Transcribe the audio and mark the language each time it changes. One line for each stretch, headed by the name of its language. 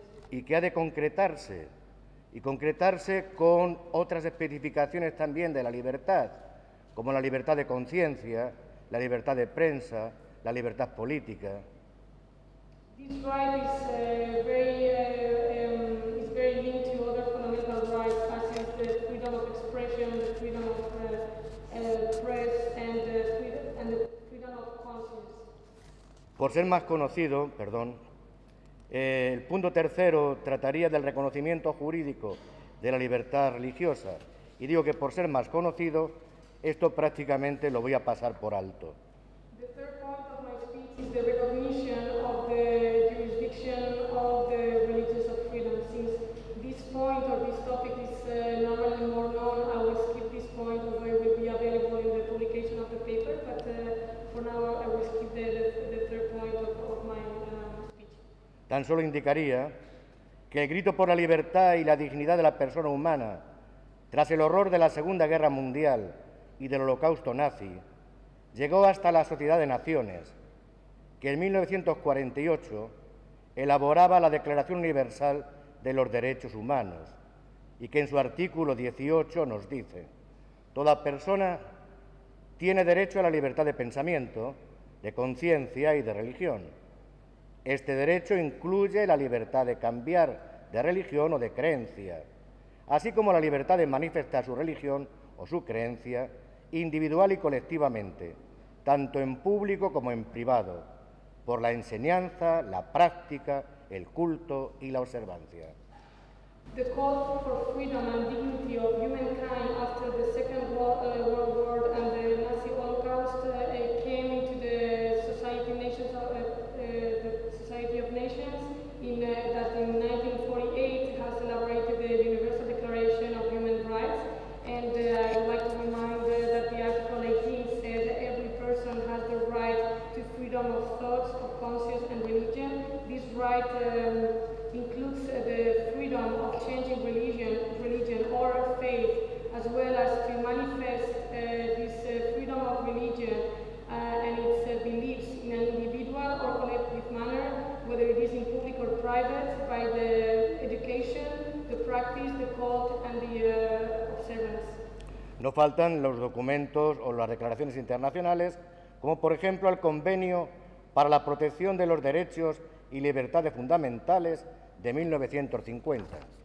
Spanish: Y que ha de concretarse, y concretarse con otras especificaciones también de la libertad, como la libertad de conciencia, la libertad de prensa, la libertad política.
English: This right is is very linked to other fundamental rights, such as the freedom of expression, the freedom of press, and the freedom of conscience.
Spanish: por ser más conocido, perdón, el punto tercero trataría del reconocimiento jurídico de la libertad religiosa. Y digo que por ser más conocido, esto prácticamente lo voy a pasar por alto.
English: The third part of my speech is the recognition of the jurisdiction of the religious freedom. Since this point or this topic is not really more known, I will skip this point, although it will be available in the publication of the paper. But for now, I will skip the third point of my speech.
Spanish: Tan solo indicaría que el grito por la libertad y la dignidad de la persona humana tras el horror de la Segunda Guerra Mundial y del Holocausto nazi, llegó hasta la Sociedad de Naciones, que en 1948 elaboraba la Declaración Universal de los Derechos Humanos y que en su artículo 18 nos dice: toda persona tiene derecho a la libertad de pensamiento, de conciencia y de religión. Este derecho incluye la libertad de cambiar de religión o de creencia, así como la libertad de manifestar su religión o su creencia individual y colectivamente, tanto en público como en privado, por la enseñanza, la práctica, el culto y la observancia.
English: The call for freedom and dignity of humankind after the Second World War and the Nazi Holocaust came into the Society of Nations, that in 1948 has elaborated the Universal Declaration of Human Rights. And I would like to remind that the Article 18 said that every person has the right to freedom of thoughts, of conscience and religion. This right includes the freedom of changing religion or faith, as well as to manifest this freedom of religion and its beliefs in an individual or collective manner, whether it is in public or private, by the education, the practice, the cult and the observance.
Spanish: No faltan los documentos o las declaraciones internacionales, como por ejemplo el Convenio para la Protección de los Derechos y Libertades Fundamentales de 1950.